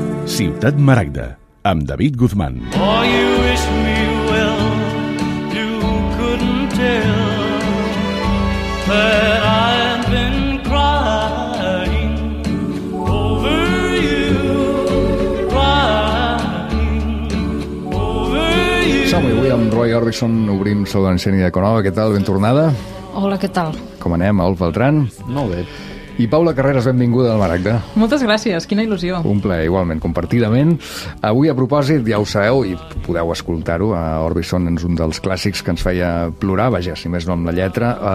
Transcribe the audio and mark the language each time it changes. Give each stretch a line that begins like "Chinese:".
Catalan: Ciutat Maragda, amb David Guzmán.
English: Oh, you wish me well, you couldn't tell that I have been crying over you, crying over you.
Catalan: Som-hi avui amb Roy Orbison, obrim Saluda Ensenya de Conova. Què tal? Ben tornada. Hola, què tal? Com anem, Olf Beltran? Molt bé. I Paula Carreras, benvinguda al Maragda. Moltes gràcies, quina il·lusió. Un plaer, igualment, compartidament. Avui, a propòsit, ja ho sabeu i podeu escoltar-ho, a Orbison és un dels clàssics que ens feia plorar, vaja, si més no amb la lletra.